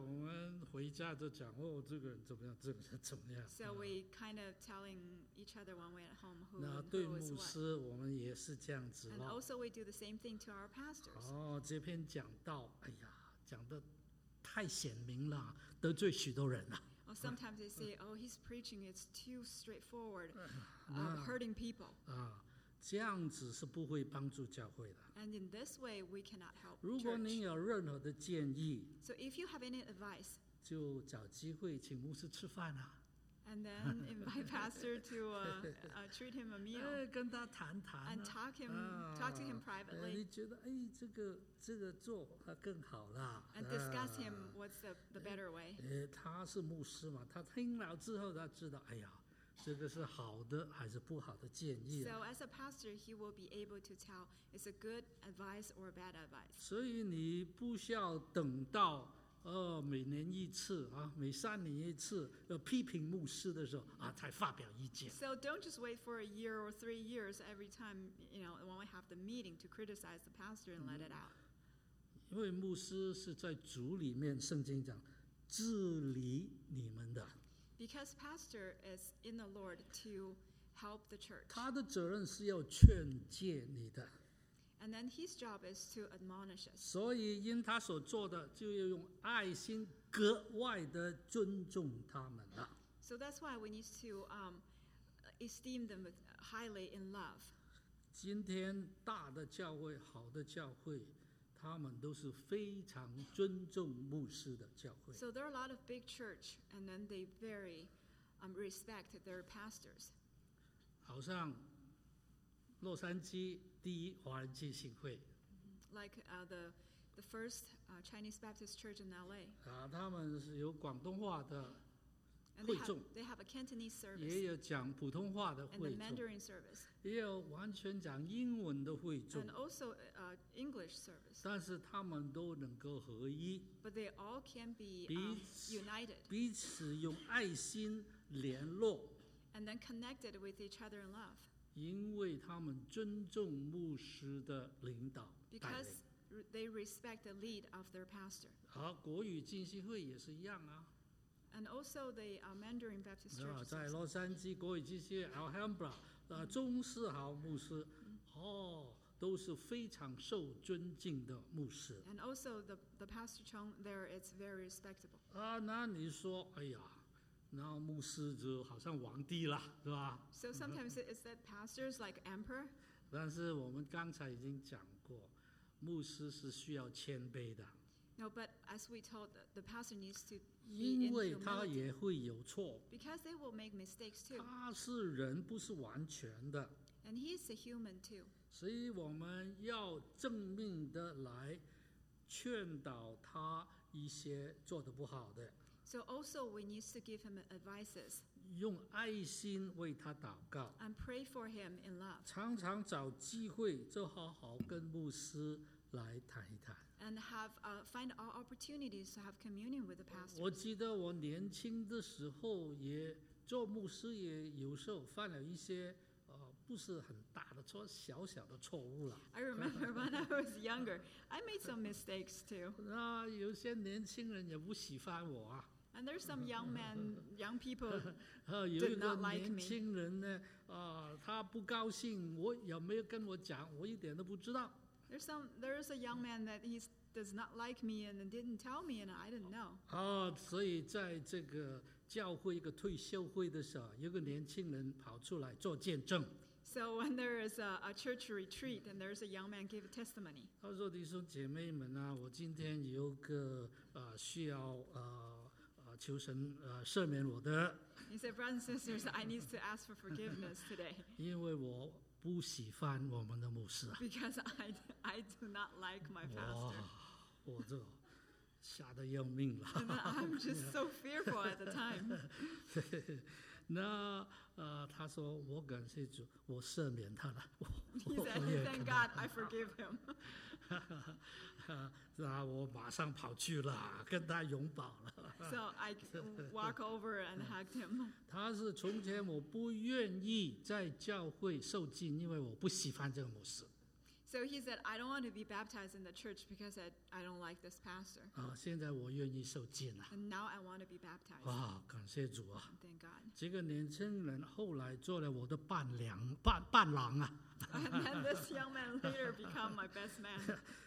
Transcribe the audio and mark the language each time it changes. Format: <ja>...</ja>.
<zh>我们回家就讲，哦，这个人怎么样，这个人怎么样。</zh> <en>So we kind of telling each other when we're at home who is what.</en> <zh>对牧师，我们也是这样子。</zh> <en>And also we do the same thing to our pastors.</en> <zh>哦，这篇讲到，哎呀，讲得太显明了，得罪许多人了。</zh> <en>Sometimes they say, oh, he's preaching, it's too straightforward, hurting people.</en> <zh>这样子是不会帮助教会的。</zh> <en>And in this way, we cannot help church.</en> <zh>如果您有任何的建议，</zh> <en>So if you have any advice,</en> <zh>就找机会请牧师吃饭啊。</zh> <en>And then invite pastor to treat him a meal.</en> <zh>跟他谈谈啊。</zh> <en>And talk to him privately.</en> <zh>你觉得，哎，这个做更好了。</zh> <en>And discuss him what's the better way.</en> <zh>他是牧师嘛，他听了之后他知道，哎呀，这个是好的还是不好的建议。</zh> <en>So as a pastor, he will be able to tell it's a good advice or a bad advice.</en> <zh>所以你不需要等到每年一次啊，每三年一次，批评牧师的时候啊，才发表意见。</zh> <en>So don't just wait for a year or 3 years every time, you know, when we have the meeting to criticize the pastor and let it out.</en> <zh>因为牧师是在主里面，圣经讲治理你们的。</zh> <en>Because pastor is in the Lord to help the church.</en> <zh>他的责任是要劝诫你的。</zh> <en>And then his job is to admonish us.</en> <zh>所以因他所做的，就要用爱心格外的尊重他们了。</zh> <en>So that's why we need to esteem them highly in love.</en> <zh>今天大的教会、好的教会，他们都是非常尊重牧师的教会。</zh> <en>So there are a lot of big church, and then they very respect their pastors.</en> <zh>好像洛杉矶第一华人浸信会</zh> <en>，like the first Chinese Baptist Church in L.A.</en> <zh>他们是有广东话的会众</zh> <en>，they have a Cantonese service，</en> <zh>也有讲普通话的会众</zh> <en>，and the Mandarin service，</en> <zh>也有完全讲英文的会众</zh> <en>，and also English service。</en> <zh>但是他们都能够合一</zh> <en>，but they all can be united，</en> <zh>彼此用爱心联络</zh> <en>，and then connected with each other in love。</en> <zh>因为他们尊重牧师的领导带领。</zh> <en>Because they respect the lead of their pastor.</en> <zh>国语浸信会也是一样啊。</zh> <en>And also the Mandarin Baptist Church.</en> <zh>在洛杉矶国语浸信会 Alhambra， 钟世豪牧师，都是非常受尊敬的牧师。</zh> <en>And also the Pastor Chung there, it's very respectable.</en> <zh>那你说，哎呀。那牧师就好像皇帝了，是吧</zh> <en>？So sometimes is that pastors like emperor?</en> <zh>但是我们刚才已经讲过，牧师是需要谦卑的。</zh> <en>No, but as we told, the pastor needs to be in humility.</en> <zh>因为他也会有错。</zh> <en>Because they will make mistakes too.</en> <zh>他是人，不是完全的。</zh> <en>And he is a human too.</en> <zh>所以我们要正面的来劝导他一些做得不好的。</zh> <en>So also we need to give him advices.</en> <zh>用爱心为他祷告。</zh> <en>And pray for him in love.</en> <zh>常常找机会就好好跟牧师来谈一谈。</zh> <en>And have find all opportunities to have communion with the pastor.</en> <zh>我记得我年轻的时候也做牧师，也有时候犯了一些不是很大的错，小小的错误了。</zh> <en>I remember when I was younger, I made some mistakes too.</en> <zh>那有些年轻人也不喜欢我啊。</zh> <en>And there's some young men, young people did not like me.</en> <zh>有一个年轻人呢，他不高兴，我也没有跟我讲，我一点都不知道。</zh> <en>There's a young man that he does not like me and didn't tell me, and I didn't know.</en> <zh>所以在这个教会一个退休会的时候，有个年轻人跑出来做见证。</zh> <en>So when there is a church retreat and there's a young man give a testimony.</en> <zh>他说：“弟兄姐妹们啊，我今天有个需要求神赦免我的。</zh> <en>He said, brothers and sisters, I need to ask for forgiveness today.</en> <zh>因为我不喜欢我们的牧师啊。</zh> <en>Because I do not like my pastor.</en> <zh>吓得要命了。</zh> <en>I'm just so fearful at the time.</en> <zh>那他说我感谢主，我赦免他了。</zh> <en>He said, thank God, I forgive him.</en> <zh>那我马上跑去了，跟他拥抱了。</zh> <en>So I walk over and hugged him.</en> <zh>他是从前我不愿意在教会受浸，因为我不喜欢这个牧师。</zh> <en>So he said, I don't want to be baptized in the church because I don't like this pastor.</en> <zh>现在我愿意受浸了。</zh> <en>And now I want to be baptized.</en> <zh>哇，感谢主啊。</zh> <en>Thank God.</en> <zh>这个年轻人后来做了我的伴郎啊。</zh> <en>And then this young man later become my best man.</en>